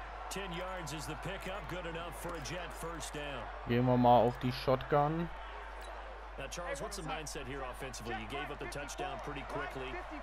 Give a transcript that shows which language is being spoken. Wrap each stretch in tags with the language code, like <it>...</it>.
<en>10 Yards is the pickup, good enough for a Jet first down.</en> <de>Gehen wir mal auf die Shotgun.</de> <en>Now Charles, what's the mindset here offensively? You gave up the touchdown pretty quickly.</en>